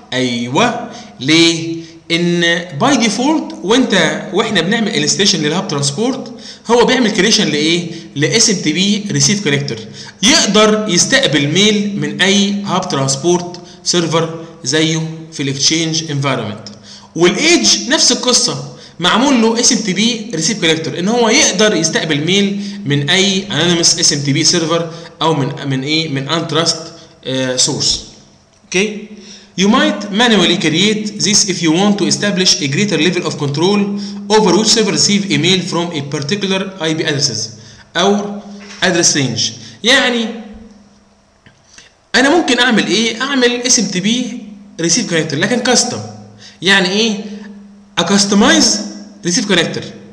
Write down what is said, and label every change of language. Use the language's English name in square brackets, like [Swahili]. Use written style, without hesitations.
[Arabic] ايوه، ليه؟ ان باي ديفولت وانت واحنا بنعمل انستيشن للهاب ترانسبورت هو بيعمل كريشن لايه؟ لاس ام تي بي ريسيف كونكتور، يقدر يستقبل ميل من اي هاب ترانسبورت سيرفر زيه في الاكشينج انفايرمنت. والايدج نفس القصه، معمول له اس ام تي بي ريسيف كونكتور، ان هو يقدر يستقبل ميل من اي انونيمس اس ام تي بي سيرفر او من ايه؟ من انتراست سورس. [English] Okay, You might manually create this if you want to establish a greater level of control over which server receive email from a particular IP addresses or address range. [Arabic] يعني انا ممكن اعمل ايه؟ اعمل SMTP receive connector لكن custom. يعني ايه؟ [English] A customized receive connector.